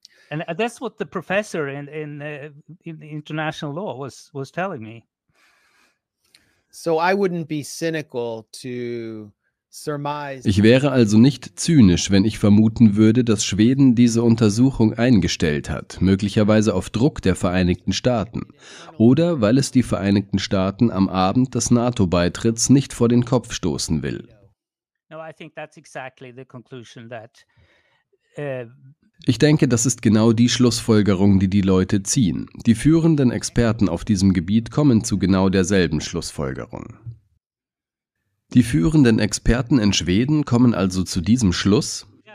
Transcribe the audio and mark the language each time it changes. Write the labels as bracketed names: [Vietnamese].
[English] And that's what the professor in international law was telling me. So I wouldn't be cynical to surmise. [German] Ich wäre also nicht zynisch, wenn ich vermuten würde, dass Schweden diese Untersuchung eingestellt hat, möglicherweise auf Druck der Vereinigten Staaten. Oder weil es die Vereinigten Staaten am Abend des NATO-Beitritts nicht vor den Kopf stoßen will. [English] No, I think that's exactly the conclusion that. [German] Ich denke, das ist genau die Schlussfolgerung, die die Leute ziehen. Die führenden Experten auf diesem Gebiet kommen zu genau derselben Schlussfolgerung. Die führenden Experten in Schweden kommen also zu diesem Schluss?